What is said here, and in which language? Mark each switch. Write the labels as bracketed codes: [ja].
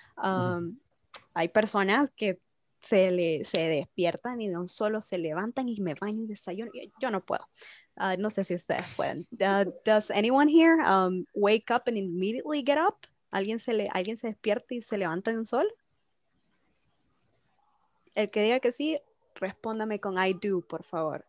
[es] Hay personas que se despiertan y de un solo se levantan y me baño y desayuno. Yo no puedo. No sé si ustedes pueden. [en] Does anyone here wake up and immediately get up? [es] ¿Alguien se despierta y se levanta de un sol? El que diga que sí, respóndame con [en] I do, [es] por favor.